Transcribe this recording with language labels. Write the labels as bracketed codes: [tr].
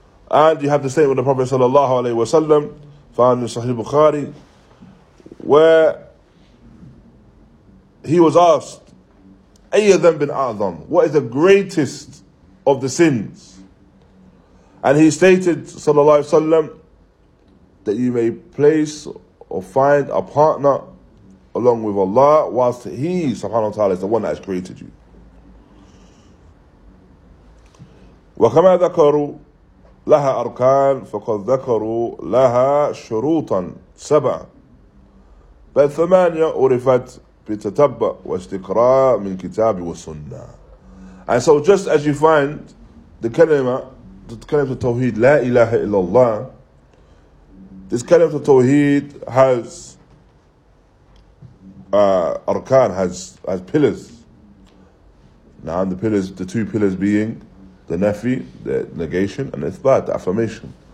[en] And you have the statement of the Prophet [ar] صلى الله عليه وسلم [en] found in Sahih Bukhari, where he was asked, [ar] أي ذنب أعظم, [en] what is the greatest of the sins? And he stated [ar] صلى الله عليه وسلم [en] that you may place or find a partner along with Allah, whilst He, subhanahu wa ta'ala, is the one that has created you. [ar] وكما ذكروا لها أركان فقد ذكروا لها شروطا سبع بل ثمانية عرفت بتتبع واستقراء من كتاب وسنة. [en] And so just as you find the kalima, the kalima of Tawheed, [ar] لا إله إلا الله, [en] this kalima of Tawheed has أركان, has pillars. Now the pillars, the two pillars being the nafi, the negation, and the ithbat, the affirmation.